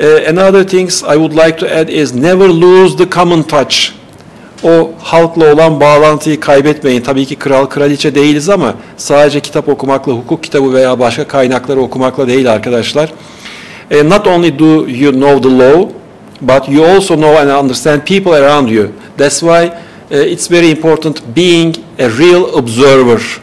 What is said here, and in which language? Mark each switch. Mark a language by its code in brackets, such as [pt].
[en] Another things I would like to add is never lose the common touch. [tr] O halkla olan bağlantıyı kaybetmeyin. Tabii ki kral kraliçe değiliz ama sadece kitap okumakla, hukuk kitabı veya başka kaynakları okumakla değil arkadaşlar. [en] Not only do you know the law, but you also know and understand people around you. That's why it's very important being a real observer.